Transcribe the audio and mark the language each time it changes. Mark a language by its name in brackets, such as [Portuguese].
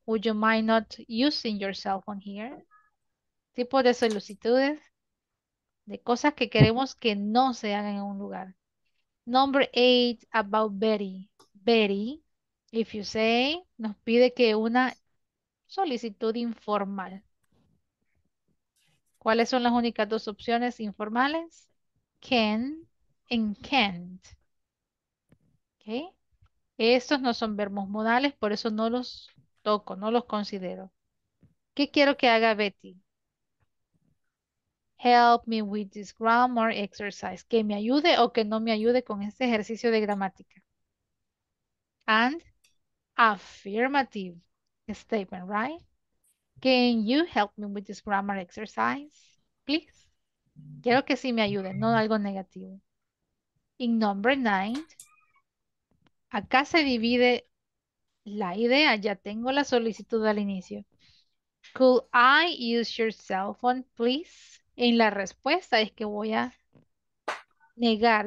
[English] Would you mind not using your cell phone here? [Spanish] Tipo de solicitudes de cosas que queremos que no se hagan en un lugar. [English] Number 8 about Betty. Betty, if you say, [Spanish] nos pide que una solicitud informal. ¿Cuáles son las únicas dos opciones informales? Can and can't. Okay. Estos no son verbos modales, por eso no los toco, no los considero. ¿Qué quiero que haga Betty? [English] Help me with this grammar exercise. [Spanish] Que me ayude o que no me ayude con este ejercicio de gramática. [English] And affirmative statement, right? Can you help me with this grammar exercise, please? [Spanish] Quiero que sí me ayude, no algo negativo. [English] In number 9... [Spanish] Acá se divide la idea. Ya tengo la solicitud al inicio. [English] Could I use your cell phone, please? [Spanish] En la respuesta es que voy a negar.